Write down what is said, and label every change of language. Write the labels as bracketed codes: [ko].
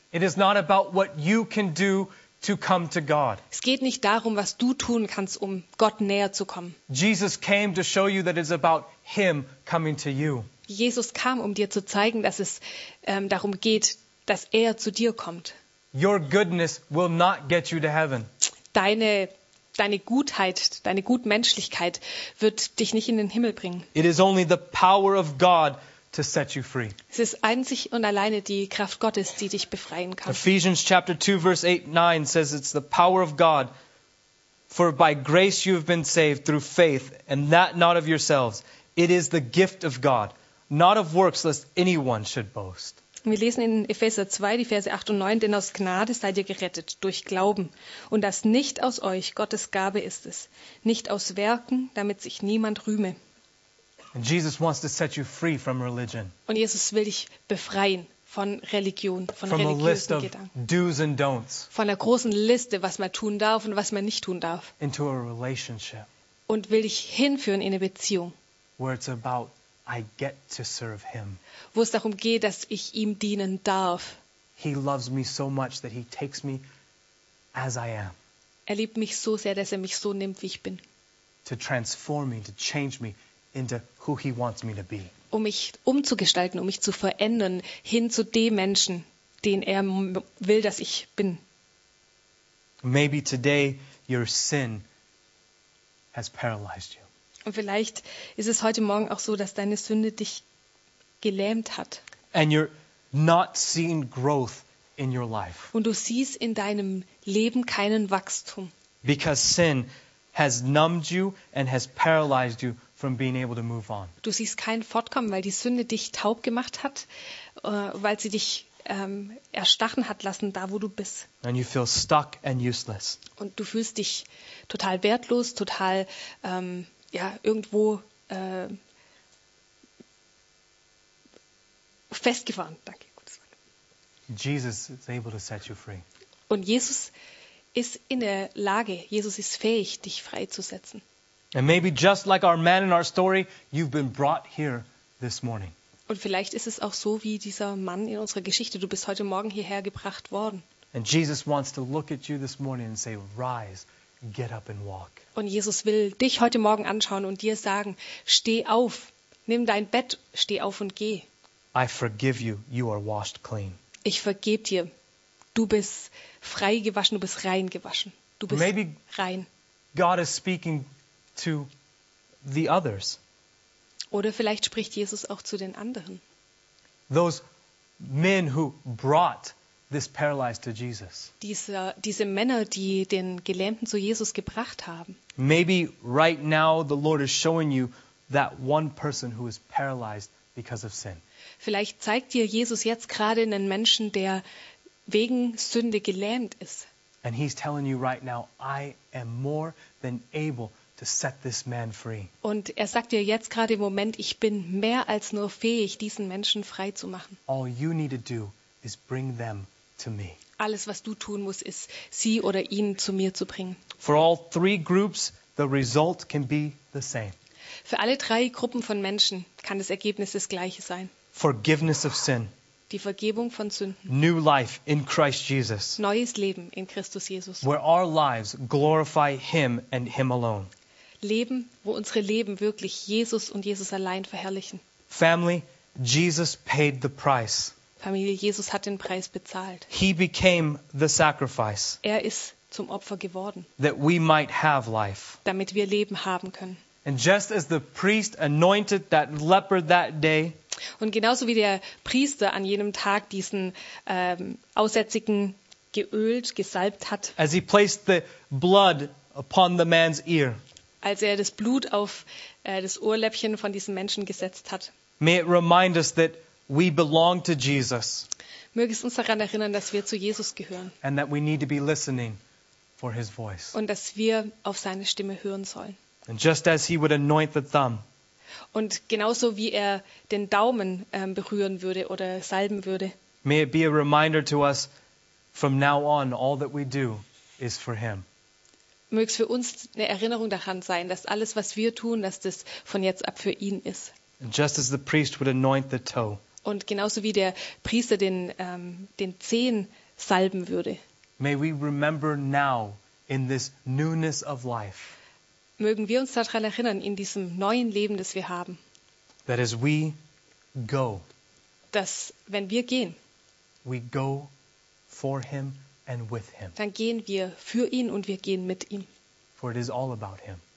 [en] It is not about what you can do to come to God. [de] Es geht nicht darum, was du tun kannst, um Gott näher zu kommen. [en] Jesus came to show you that it's about him coming to you. [de] Jesus kam, um dir zu zeigen, dass es darum geht, dass er zu dir kommt. [en] Your goodness will not get you to heaven. [de] Deine Gutheit, deine Gutmenschlichkeit wird dich nicht in den Himmel bringen. [en] It is only the power of God to set you free. [de] Es ist einzig und alleine die Kraft Gottes, die dich befreien kann. [en] Ephesians chapter 2 verse 8-9 says it's the power of God, for by grace you have been saved through faith, and that not of yourselves. It is the gift of God, not of works, lest anyone should boast. [de] Wir lesen in Epheser 2, die Verse 8 und 9, denn aus Gnade seid ihr gerettet, durch Glauben. Und das nicht aus euch, Gottes Gabe ist es. Nicht aus Werken, damit sich niemand rühme. [en] And Jesus wants to set you free from religion. [de] Und Jesus will dich befreien von Religion, von [en] from [de] religiösen [en] a list [de] Gedanken. [en] Of do's and don'ts. [de] Von der großen Liste, was man tun darf und was man nicht tun darf. [en] Into a relationship. [de] Und will dich hinführen in eine Beziehung. [en] Where it's about I get to serve him. [de] Wo es darum geht, dass ich ihm dienen darf. [en] He loves me so much that he takes me as I am. [de] Er liebt mich so sehr, dass er mich so nimmt, wie ich bin. [en] To transform me, to change me into who he wants me to be. [de] Um mich umzugestalten, um mich zu verändern hin zu dem Menschen, den er will, dass ich bin. [en] Maybe today your sin has paralyzed you. [de] Und vielleicht ist es heute Morgen auch so, dass deine Sünde dich gelähmt hat. [en] And you're not seeing growth in your life. [de] Und du siehst in deinem Leben keinen Wachstum. [en] Because sin has numbed you and has paralyzed you from being able to move on. [de] Du siehst kein Fortkommen, weil die Sünde dich taub gemacht hat, weil sie dich erstarren hat lassen, da wo du bist. [en] And you feel stuck and useless. [de] Und du fühlst dich total wertlos, total ja, irgendwo festgefahren. Danke. [en] Jesus is able to set you free. [de] Und Jesus ist in der Lage, Jesus ist fähig, dich freizusetzen. [en] And maybe just like our man in our story, you've been brought here this morning. [de] Und vielleicht ist es auch so wie dieser Mann in unserer Geschichte, du bist heute Morgen hierher gebracht worden. [en] And Jesus wants to look at you this morning and say, rise. Get up and walk. [de] Und Jesus will dich heute Morgen anschauen und dir sagen, steh auf, nimm dein Bett, steh auf und geh. [en] I forgive you, you are washed clean. [de] Ich vergebe dir, du bist frei gewaschen, du bist rein gewaschen, du bist [en] maybe [de] rein. [en] God is speaking to the others. [de] Oder vielleicht spricht Jesus auch zu den anderen. [en] Those men who brought this paralyzed to Jesus. [de] Diese Männer, die den Gelähmten zu Jesus gebracht haben. [en] Maybe right now the Lord is showing you that one person who is paralyzed because of sin. [de] Vielleicht zeigt dir Jesus jetzt gerade einen Menschen, der wegen Sünde gelähmt ist. [en] And he's telling you right now, I am more than able to set this man free. [de] Und er sagt dir jetzt gerade im Moment, ich bin mehr als nur fähig, diesen Menschen frei zu machen. [en] All you need to do is bring them to me. [de] Alles, was du tun musst, ist, sie oder ihn zu mir zu bringen. [en] For all three groups, the result can be the same. [de] Für alle drei Gruppen von Menschen kann das Ergebnis das gleiche sein. [en] Forgiveness of sin. [de] Die Vergebung von Sünden. [en] New life in Christ Jesus. [de] Neues Leben in Christus Jesus. [en] Where our lives glorify him and him alone. [de] Leben, wo unsere Leben wirklich Jesus und Jesus allein verherrlichen. [en] Family, Jesus paid the price. [de] Familie, Jesus hat den Preis bezahlt. [en] He became the sacrifice. [de] Er ist zum Opfer geworden. [en] That we might have life. [de] Damit wir Leben haben können. [en] And just as the priest anointed that leper that day. [de] Und genauso wie der Priester an jenem Tag diesen Aussätzigen geölt, gesalbt hat. [en] As he placed the blood upon the man's ear. [de] Als er das Blut auf das Ohrläppchen von diesem Menschen gesetzt hat. [en] May it remind us that we belong to Jesus. [de] Möge es uns daran erinnern, dass wir zu Jesus gehören. [en] And that we need to be listening for his voice. [de] Und dass wir auf seine Stimme hören sollen. [en] And just as he would anoint the thumb. [de] Und genauso wie er den Daumen berühren würde oder salben würde. [en] May it be a reminder to us from now on all that we do is for him. [de] Möge es für uns eine Erinnerung daran sein, dass alles, was wir tun, dass das von jetzt ab für ihn ist. [en] just as the priest would anoint the toe. [de] Und genauso wie der Priester den den Zehen salben würde. [en] May we remember now in this newness of life. [de] Mögen wir uns daran erinnern in diesem neuen Leben, das wir haben. [en] That as we go. [de] Dass wenn wir gehen. [en] We go for him and with him. [de] Dann gehen wir für ihn und wir gehen mit ihm. [en] For it is all about him.